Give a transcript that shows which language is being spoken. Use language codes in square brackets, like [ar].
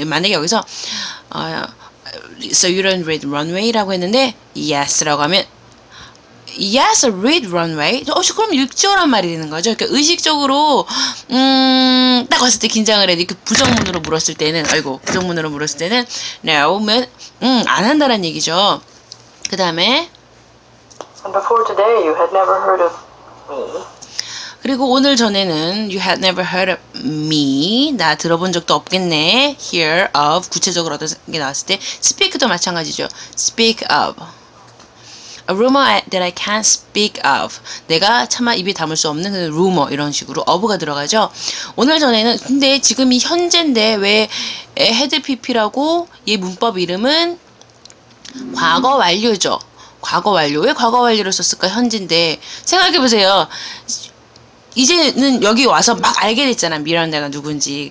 [ko] 만약에 여기서 [en] So you don't read runway [ko] 라고 했는데 yes라고 하면 [en] Yes, I read runway. [ko] 그럼 읽죠? 라는 말이 되는 거죠. 그러니까 의식적으로 딱 왔을 때 긴장을 해도 부정문으로 물었을 때는 아이고 부정문으로 물었을 때는 No, 안 한다는 얘기죠. 그 다음에 [en] And before today, you had never heard of me. [ko] 그리고 오늘 전에는 [en] you had never heard of me. [ko] 나 들어본 적도 없겠네. Hear of 구체적으로 어떤 게 나왔을 때 speak도 마찬가지죠. [en] Speak of a rumor that I can't speak of. [ko] 내가 차마 입에 담을 수 없는 rumor 이런 식으로 of가 들어가죠. 오늘 전에는 근데 지금이 현재인데 왜 had pp라고 얘 문법 이름은 과거 완료죠. 과거 완료. 왜 과거 완료를 썼을까? 현재인데. 생각해보세요. 이제는 여기 와서 막 알게 됐잖아. 미란다가 누군지.